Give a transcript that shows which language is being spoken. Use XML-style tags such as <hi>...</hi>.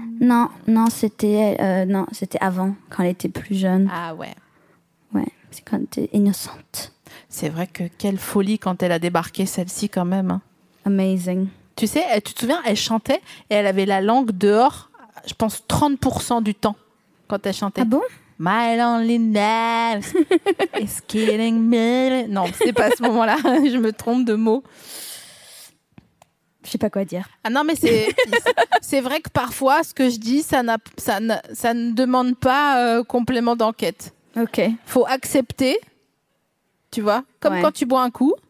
<fr>Non, non, c'était avant, quand elle était plus jeune. Ah ouais. Ouais, c'est quand elle était innocente. C'est vrai que quelle folie quand elle a débarqué celle-ci quand même.</fr> <en>Amazing.</en> <fr>Tu sais, tu te souviens, elle chantait et elle avait la langue dehors, je pense, 30% du temps quand elle chantait. Ah bon?</fr> <en>My loneliness is killing me.</en> <fr>Non, c'est pas à ce moment-là, je me trompe de mots. Je ne sais pas quoi dire. Ah non, mais c'est vrai que parfois, ce que je dis, ça ne demande pas complément d'enquête. OK. Il faut accepter, tu vois, comme ouais. Quand tu bois un coup.</fr>